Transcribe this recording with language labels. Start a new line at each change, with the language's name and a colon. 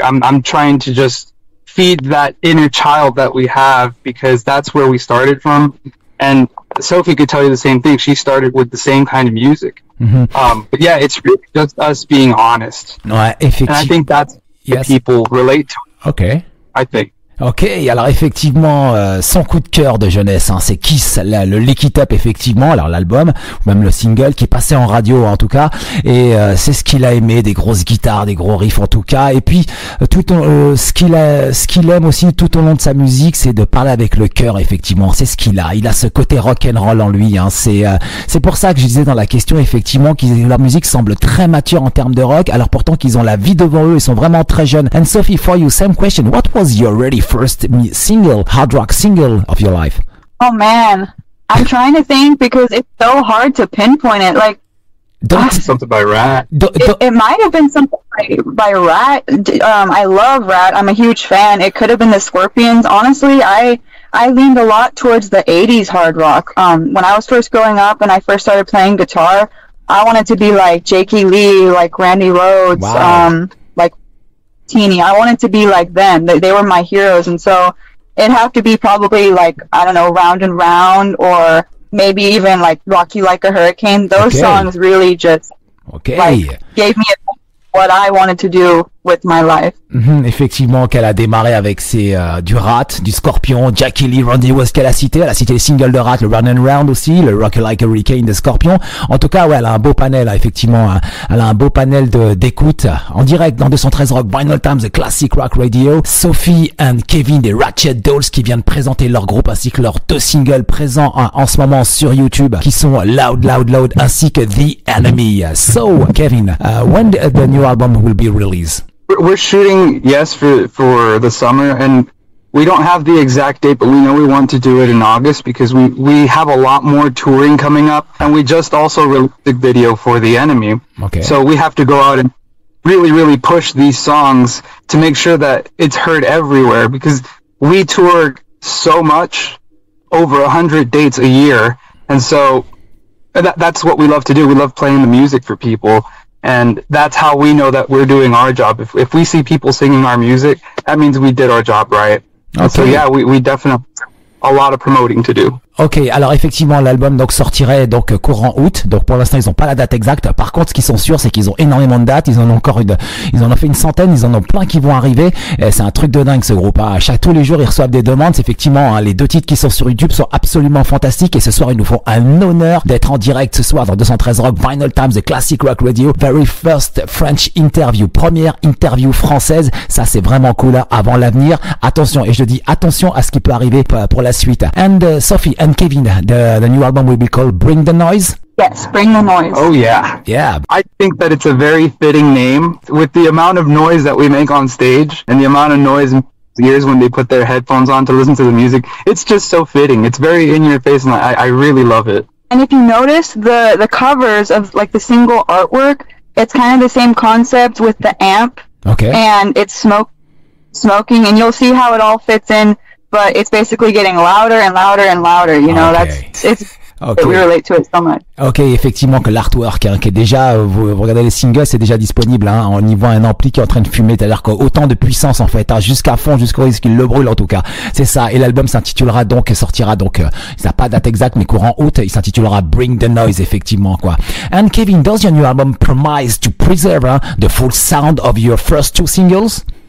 English: I'm trying to just feed that inner child that we have, because that's where we started from. And Sophie could tell you the same thing. She started with the same kind of music. Mm-hmm. But yeah, it's really just us being honest.
French: Effectivement.
English: And I think that's what yes. people relate to. Okay. I think.
French: Ok, alors effectivement, son coup de cœur de jeunesse, hein, c'est Kiss, le Lick It Up, effectivement, alors l'album, ou même le single, qui est passé en radio en tout cas, et c'est ce qu'il a aimé, des grosses guitares, des gros riffs en tout cas, et puis ce qu'il aime aussi tout au long de sa musique, c'est de parler avec le cœur, effectivement, c'est ce qu'il a. Il a ce côté rock'n'roll en lui, hein. C'est pour ça que je disais dans la question, effectivement, que leur musique semble très mature en termes de rock, alors pourtant qu'ils ont la vie devant eux, ils sont vraiment très jeunes.
English: And Sophie, for you, same question, what was your really first single, hard rock single of your life? Oh man, I'm trying to think, because it's so hard to pinpoint it. Like, something by Rat. It might have been something by Rat. I love Rat. I'm a huge fan. It could have been the Scorpions. Honestly, I leaned a lot towards the 80s hard rock. When I was first growing up and I first started playing guitar, I wanted to be like Jakey Lee, like Randy Rhoads. Wow. I wanted to be like them. They were my heroes. And so it'd have to be probably like, I don't know, Round and Round or maybe even like Rock You Like a Hurricane, those songs really just gave me what I wanted to do with my life. Mm-hmm.
French: Effectivement, qu'elle a démarré avec ses du Rat, du Scorpion, Jackie Lee, Randy West, qu'elle a cité. Elle a cité les singles de Rat, le Run and Round aussi, le Rock Like a Hurricane de Scorpion. En tout cas, ouais, elle a un beau panel, effectivement. Elle a un beau panel d'écoute en direct dans 213 Rock, Vinyl Times, The Classic Rock Radio. Sophie and Kevin des Ratchet Dolls qui viennent présenter leur groupe ainsi que leurs deux singles présents en ce moment sur YouTube qui sont Loud, Loud, Loud ainsi que The Enemy.
English: So, Kevin, when the new album will be released? We're shooting, yes, for the summer, and we don't have the exact date, but we know we want to do it in August because we have a lot more touring coming up, and we just also released the video for The Enemy. Okay. So we have to go out and really, really push these songs to make sure that it's heard everywhere, because we tour so much, over 100 dates a year, and so that's what we love to do. We love playing the music for people. And that's how we know that we're doing our job. If we see people singing our music, that means we did our job right. Okay. So yeah, we definitely have a lot of promoting to do.
French: Ok, alors effectivement, l'album donc sortirait donc courant août. Donc pour l'instant, ils n'ont pas la date exacte. Par contre, ce qu'ils sont sûrs, c'est qu'ils ont énormément de dates. Ils en ont fait une centaine. Ils en ont plein qui vont arriver. Et c'est un truc de dingue ce groupe. À chaque tous les jours, ils reçoivent des demandes. C'est effectivement hein, les deux titres qui sont sur YouTube sont absolument fantastiques. Et ce soir, ils nous font un honneur d'être en direct ce soir dans 213 Rock, Vinyl Times, The Classic Rock Radio,
English: very first French interview,
French: première interview française. Ça, c'est vraiment cool. Hein, avant l'avenir, attention. Et je dis attention à ce qui peut arriver pour la suite.
English: And Sophie. And Kevin, the new album will be called Bring the Noise? Yes, Bring the Noise. Oh, yeah. Yeah. I think that it's a very fitting name. With the amount of noise that we make on stage and the amount of noise in people's ears when they put their headphones on to listen to the music, it's just so fitting. It's very in your face, and I really love it. And if you notice the covers of like the single artwork, it's kind of the same concept with the amp. Okay. And it's smoking, and you'll see how it all fits in. But it's basically getting louder and louder and louder, you know, okay. We relate to it so much.
French: Ok, effectivement, que l'artwork, hein, qui est déjà, vous regardez les singles, c'est déjà disponible, hein, on y voit un ampli qui est en train de fumer, c'est-à-dire qu'autant de puissance, en fait, hein, jusqu'à fond, jusqu'au risque qu'il le brûle, en tout cas. C'est ça. Et l'album s'intitulera donc, sortira donc, il n'a pas date exacte, mais courant août, il s'intitulera Bring the Noise, effectivement, quoi.
English: And Kevin, does your new album promise to preserve, hein, the full sound of your first two singles?